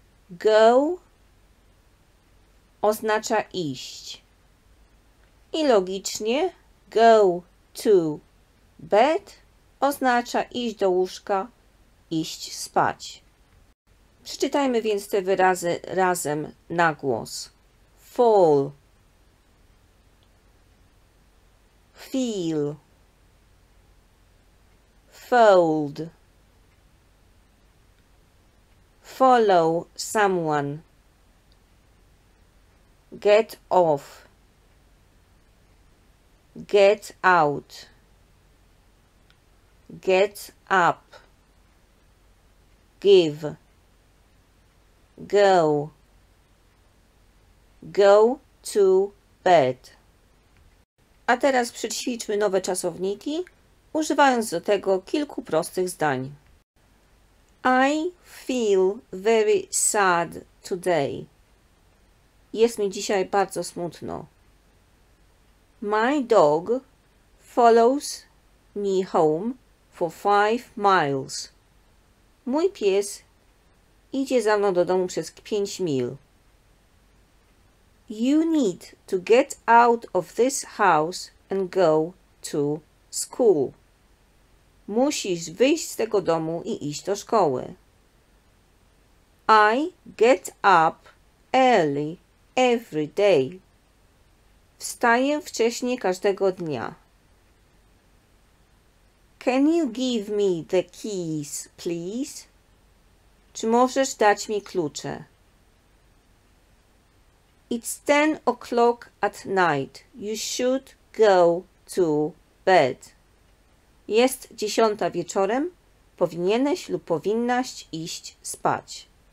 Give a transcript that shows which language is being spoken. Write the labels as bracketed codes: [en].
[pl] Go oznacza iść. I logicznie [en] go to bed [pl] oznacza iść do łóżka, iść spać. Przeczytajmy więc te wyrazy razem na głos. [en] Fall, feel, fold, follow someone, get off, get out, get up, give, go, go to bed. [pl] A teraz przećwiczmy nowe czasowniki, używając do tego kilku prostych zdań. [en] I feel very sad today. [pl] Jest mi dzisiaj bardzo smutno. [en] My dog follows me home for 5 miles. [pl] Mój pies idzie za mną do domu przez 5 mil. [en] You need to get out of this house and go to school. [pl] Musisz wyjść z tego domu i iść do szkoły. [en] I get up early every day. [pl] Wstaję wcześnie każdego dnia. [en] Can you give me the keys, please? [pl] Czy możesz dać mi klucze? [en] It's 10 o'clock at night. You should go to bed. [pl] Jest 10 wieczorem. Powinieneś lub powinnaś iść spać.